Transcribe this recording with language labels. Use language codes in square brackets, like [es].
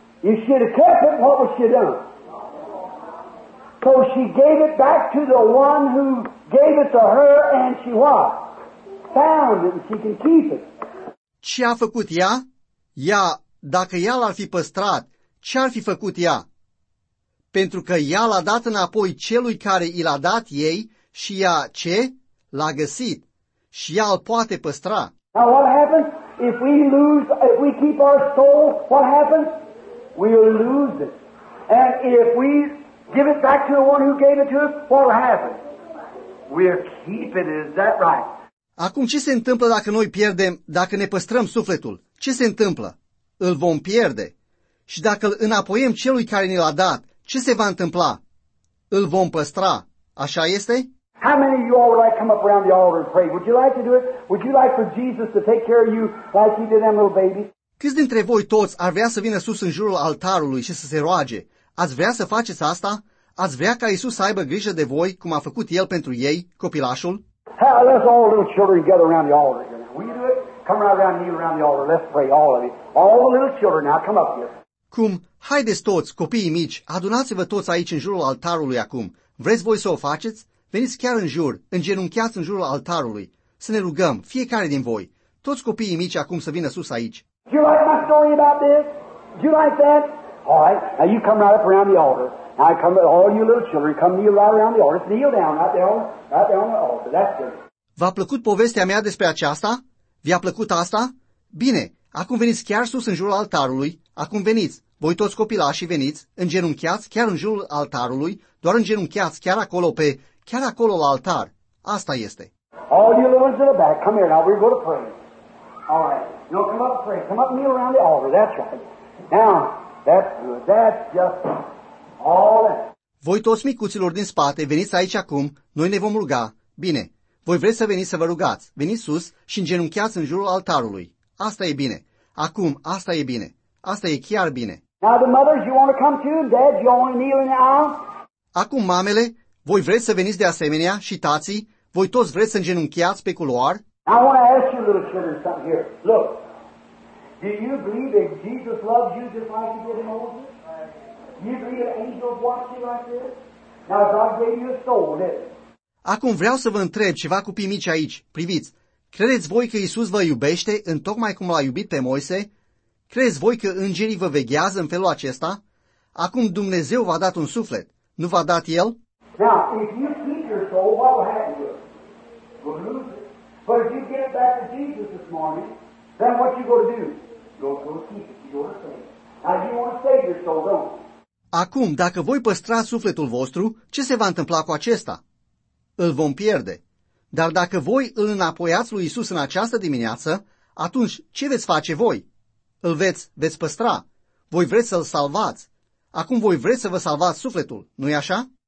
[en] If she had kept it, what was she done? So she gave it back to the one who gave it to her, and she what? Found it, and she can keep it. [ro] Ce a făcut ea? Ea, dacă ea l-ar fi păstrat, ce ar fi făcut ea? Pentru că ea l-a dat înapoi celui care i l-a dat ei și ea ce? L-a găsit. Și ea îl poate păstra. [en] Now what happens? If we keep our soul, what happens? We'll lose it. And if we give it back to the one who gave it to us, what will happen? We'll keep it, is that right? [ro] Acum ce se întâmplă dacă noi pierdem, dacă ne păstrăm sufletul? Ce se întâmplă? Îl vom pierde. Și dacă îl înapoiem celui care ne l-a dat, ce se va întâmpla? Îl vom păstra. Așa este? [en] How many of you all would like to come up around the altar and pray? Would you like to do it? Would you like for Jesus to take care of you like he did them little babies? [ro] Câți dintre voi toți ar vrea să vină sus în jurul altarului și să se roage? Ați vrea să faceți asta? Ați vrea ca Iisus să aibă grijă de voi, cum a făcut El pentru ei, copilașul? [en] Let's all little children gather around the altar. Will you do it? Come right around here around the altar. Let's pray, all of you. All the little children now, come up here. [ro] Cum? Haideți toți, copiii mici, adunați-vă toți aici în jurul altarului acum. Vreți voi să o faceți? Veniți chiar în jur, îngenunchiați în jurul altarului. Să ne rugăm, fiecare din voi, toți copiii mici acum să vină sus aici. [en] Do you like my story about this? Do you like that? All right, now you come right up around the altar. Now I come, all you little children, come kneel right around the altar. Kneel down, right there on the altar. That's good. [ro] V-a plăcut povestea mea despre aceasta? V-a plăcut asta? Bine, acum veniți chiar sus în jurul altarului. Acum veniți, voi toți copilașii veniți, îngenunchiați chiar în jurul altarului, doar îngenunchiați chiar acolo pe, chiar acolo la altar. Asta este. [en] All you little ones in the back, come here now, we're going to pray. All right. No, come up and pray. Come up and kneel around the altar. That's right. Now, that's good. That's just all that. [ro] Voi toți micuților din spate, veniți aici acum, noi ne vom ruga. Bine. Voi vreți să veniți să vă rugați. Veniți sus și îngenunchiați în jurul altarului. Asta e bine. Acum, asta e bine. Asta e chiar bine. [en] Now, the mothers, you want to come too? Dad, you want to kneel in the aisle? [ro] Acum, mamele, voi vreți să veniți de asemenea și tații? Voi toți vreți să îngenunchiați pe culoar? [en] I want to ask you, little children, something here. Look, do you believe that Jesus loves you just like he did Moses? You believe that angels watch you like this? Now, God gave you a soul, didn't he? [ro] Acum vreau să vă întreb ceva, copii mici aici, priviți, credeți voi că Iisus vă iubește în tocmai cum l-a iubit pe Moise? Credeți voi că îngerii vă veghează în felul acesta? Acum Dumnezeu v-a dat un suflet, nu v-a dat El? [en] Now, if you keep your soul, what will happen to you? You'll lose it. But if you get back to Jesus this morning, then what you going to do? You're going to keep it, you're going to save it. Now, you want to save your soul, don't you? [ro] Acum, dacă voi păstrați sufletul vostru, ce se va întâmpla cu acesta? Îl vom pierde. Dar dacă voi îl înapoiați lui Iisus în această dimineață, atunci ce veți face voi? Îl veți păstra. Voi vreți să-l salvați. Acum voi vreți să vă salvați sufletul, nu-i așa?